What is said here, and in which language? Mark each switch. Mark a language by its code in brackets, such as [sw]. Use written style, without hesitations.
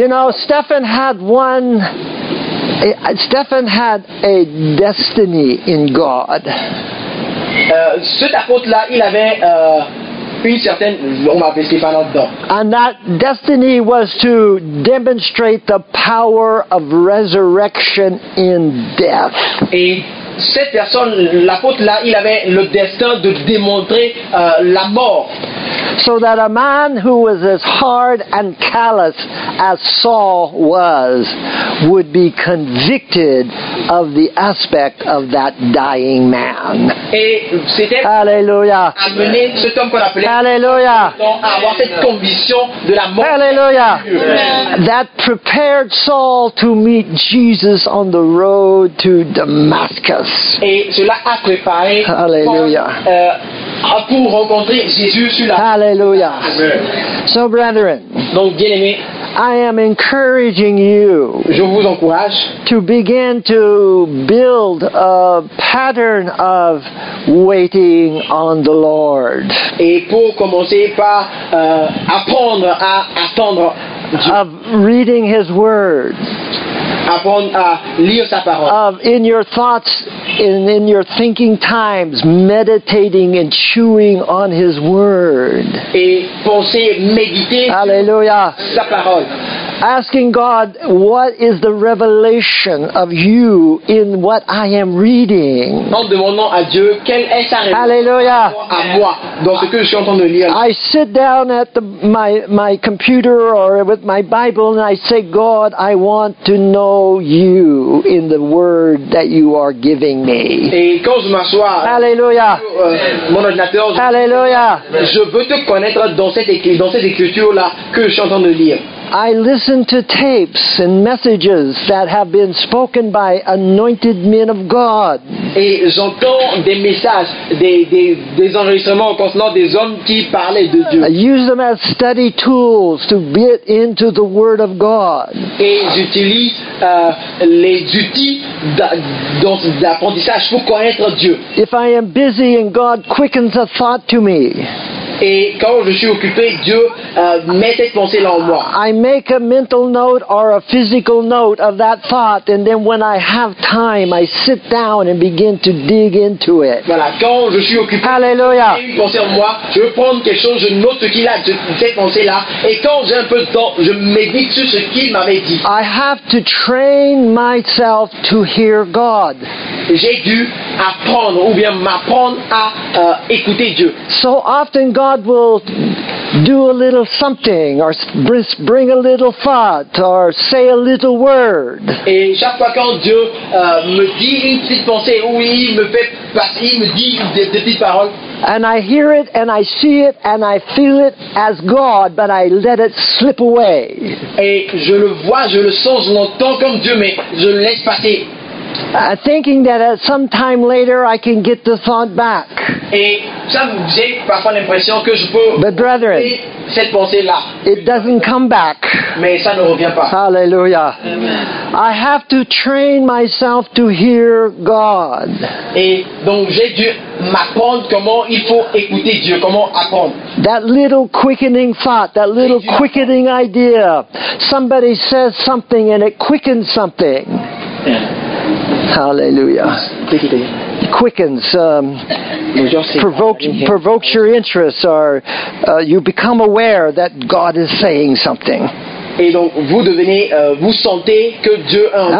[en] You know, Stephen had a destiny in God. [fr] Cet apôtre-là, il avait [en] and that destiny was to demonstrate the power of resurrection in death. [fr] Et cette personne, l'apôtre là, il avait le destin de démontrer la mort. [en] So that a man who was as hard and callous as Saul was would be convicted of the aspect of that dying man. Hallelujah. Hallelujah. Hallelujah. That prepared Saul to meet Jesus on the road to Damascus. Hallelujah. [fr] Pour rencontrer Jésus sur la... [en] Hallelujah. So brethren, [fr] donc, bien aimé, [en] I am encouraging you, [fr] je vous encourage, [en] to begin to build a pattern of waiting on the Lord. [fr] Et pour commencer par apprendre à attendre Dieu. [en] Of reading His Word. Of in your thoughts and in your thinking times, meditating and chewing on His Word. [fr] Et penser, méditer. [en] Hallelujah. [fr] Sa parole. [en] Asking God, what is the revelation of you in what I am reading? [fr] En demandant à Dieu, quelle est sa révélation? [en] Hallelujah. [fr] À moi, dans ce que je suis en train de lire. [en] I sit down at my computer or with my Bible and I say, God, I want to know you in the word that you are giving me. [fr] Et quand je m'assois, [en] hallelujah. [fr] Mon ordinateur, [en] hallelujah. [fr] Je veux te connaître dans cette écriture-là que je suis en train de lire. [en] I listen to tapes and messages that have been spoken by anointed men of God. [fr] Et j'entends des messages, des enregistrements concernant des hommes qui parlaient de Dieu. [en] I use them as study tools to get into the Word of God. [fr] Et j'utilise les outils d'apprentissage pour connaître Dieu. [en] If I am busy and God quickens a thought to me. [fr] Et quand je suis occupé, Dieu met cette pensée là en moi. [en] I make a mental note or a physical note of that thought, and then when I have time, I sit down and begin to dig into it. [fr] Voilà, quand je suis occupé, [en] hallelujah. [fr] Une pensée en moi, je veux prendre quelque chose, je note ce qu'il a, cette pensée là, et quand j'ai un peu de temps, je médite sur ce qu'il m'avait dit. [en] I have to train myself to hear God. [fr] j'ai dû apprendre ou bien m'apprendre à écouter Dieu. [en] So often God will do a little something or bring a little thought or say a little word. [fr] Et chaque fois quand Dieu me dit une petite pensée ou il me dit des petites paroles. [en] And I hear it and I see it and I feel it as God, but I let it slip away. [fr] Et je le vois, je le sens, je l'entends comme Dieu, mais je le laisse passer. [en] Thinking that at some time later I can get the thought back. [fr] Et ça, j'ai parfois l'impression que je peux. [en] But brethren, [fr] cette pensée là, [en] it doesn't come back. [fr] Mais ça ne revient pas. [en] Hallelujah. Amen. I have to train myself to hear God. [fr] Et donc j'ai dû m'apprendre comment il faut écouter Dieu, comment apprendre. [en] That little quickening thought, that little quickening idea. Somebody says something and it quickens something. Hallelujah. Quickens, provokes your interest, or you become aware that God is saying something. [fr] Et donc vous devenez, vous sentez que Dieu a.